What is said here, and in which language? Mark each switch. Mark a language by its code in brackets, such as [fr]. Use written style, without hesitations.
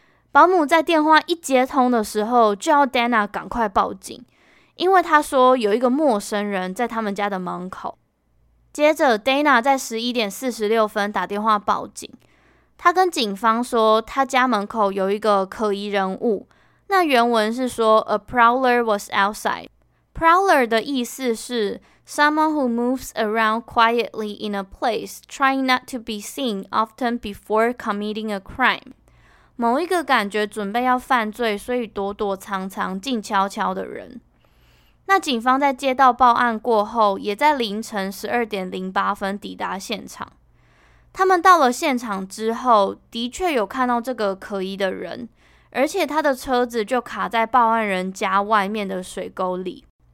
[zh] 保姆在电话一接通的时候，就要 Dana 赶快报警，因为他说有一个陌生人在他们家的门口。接着 Dana 在11:46打电话报警，他跟警方说他家门口有一个可疑人物。那原文是说 [en] A prowler was outside。 Prowler [zh] 的意思是 [en] Someone who moves around quietly in a place, trying not to be seen often before committing a crime. [zh] 某一个感觉准备要犯罪，所以躲躲藏藏、静悄悄的人。那警方在接到报案过后，也在凌晨12:08抵达现场。他们到了现场之后，的确有看到这个可疑的人，而且他的车子就卡在报案人家外面的水沟里。